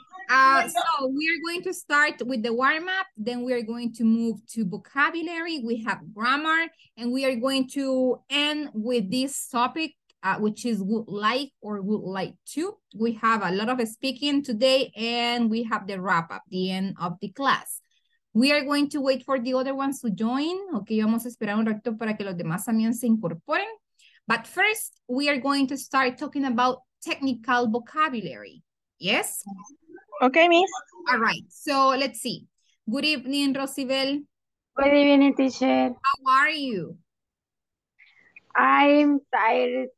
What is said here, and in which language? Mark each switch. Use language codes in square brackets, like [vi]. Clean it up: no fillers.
[en] So we are going to start with the warm-up, then we are going to move to vocabulary. We have grammar, and we are going to end with this topic, which is would like or would like to. We have a lot of speaking today, and we have the wrap-up, the end of the class. We are going to wait for the other ones to join. [es] Okay, vamos a esperar un rato para que los demás también se incorporen. [en] But first, we are going to start talking about technical vocabulary. Yes? Okay, Miss. All right, so let's see. Good evening, Rosibel. Good evening, teacher. How are you? I'm tired,